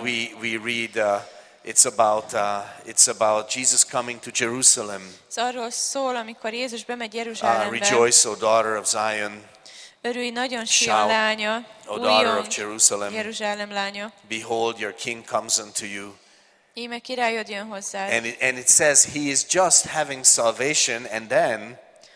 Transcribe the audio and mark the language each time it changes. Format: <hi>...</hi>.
<en>We read it's about Jesus coming to Jerusalem.</en> <hu>Ez arról szól, amikor Jézus bemegy Jeruzsálembe.</hu> <en>Rejoice, O daughter of Zion.</en> <hu>Örülj nagyon, Sion lánya.</hu> <en>O daughter of Jerusalem,</en> <hu>Jeruzsálem lánya.</hu> <en>Behold, your king comes unto you.</en> <hu>Íme királyod jön hozzád.</hu> <en>And it says he is just having salvation, and then.</en>